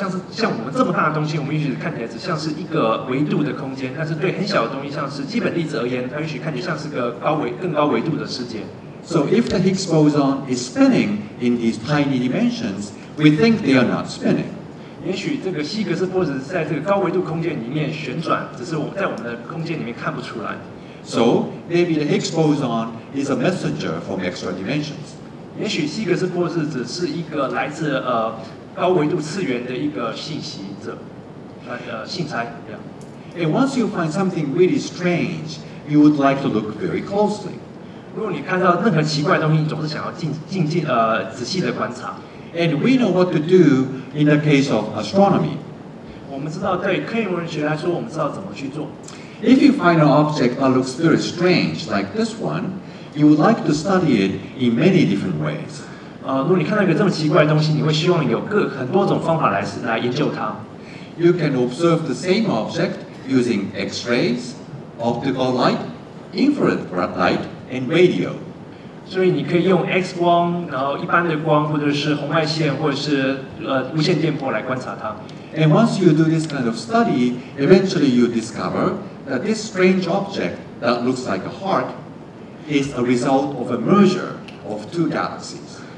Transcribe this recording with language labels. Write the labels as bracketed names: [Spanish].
[Chinese] 像我们这么大的东西，我们也许看起来只像是一个维度的空间，但是对很小的东西，像是基本粒子而言，它也许看起来像是个更高维度的世界。 [English] So if the Higgs boson is spinning in these tiny dimensions, we think they are not spinning. [Chinese] 也许这个希格斯波子在这个高维度空间里面旋转，只是在我们的空间里面看不出来。 [English] So maybe the Higgs boson is a messenger from extra dimensions. [Chinese] 也许希格斯波子只是一个来自高维度次元的一个信息者，信差。 [English] Yeah. And once you find something really strange, you would like to look very closely. [Chinese] 如果你看到任何奇怪的东西，你总是想要仔细的观察。 [English] And we know what to do in the case of astronomy. [Chinese] 我们知道，对科研文学来说，我们知道怎么去做。 [English] If you find an object that looks very strange, like this one, you would like to study it in many different ways. [Chinese] 如果你看到一个这么奇怪的东西，你会希望有很多种方法来研究它。 [English] You can observe the same object using X-rays, optical light, infrared light, and radio. [Chinese] 所以你可以用 X 光，然后一般的光，或者是红外线，或者是无线电波来观察它。 [English] And once you do this kind of study, eventually you discover. That this strange object that looks like a heart is a result of a merger of two galaxies.